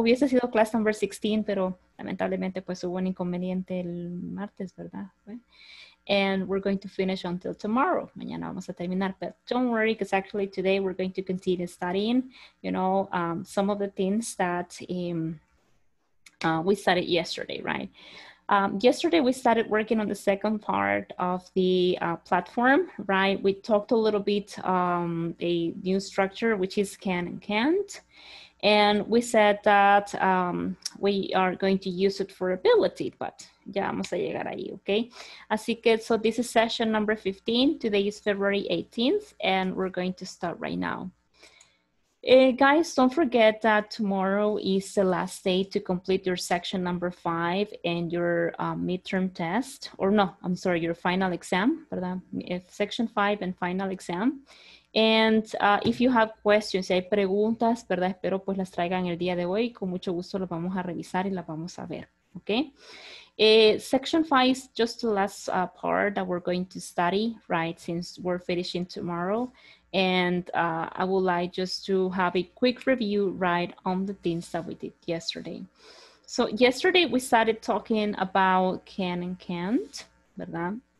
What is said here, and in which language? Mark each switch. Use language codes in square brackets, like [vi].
[es] Hubiese sido [en] class number 16, [es] pero lamentablemente pues hubo un inconveniente el martes, ¿verdad? [en] And we're going to finish until tomorrow. [es] Mañana vamos a terminar, [en] but don't worry, because actually today we're going to continue studying, you know, some of the things that we studied yesterday, right? Yesterday we started working on the second part of the platform, right? We talked a little bit a new structure, which is can and can't. And we said that we are going to use it for ability, but [es] ya vamos a llegar ahí, [en] okay? [es] Así que, [en] so this is session number 15. Today is February 18th, and we're going to start right now. Guys, don't forget that tomorrow is the last day to complete your section number 5 and your midterm test, or no, I'm sorry, your final exam, ¿verdad? Section 5 and final exam. And if you have questions, [es] si hay preguntas, ¿verdad? Espero pues las traigan el día de hoy. Con mucho gusto los vamos a revisar y las vamos a ver, ¿ok? [en] Section 5 is just the last part that we're going to study, right, since we're finishing tomorrow. And I would like just to have a quick review right on the things that we did yesterday. So yesterday we started talking about can and can't, ¿verdad?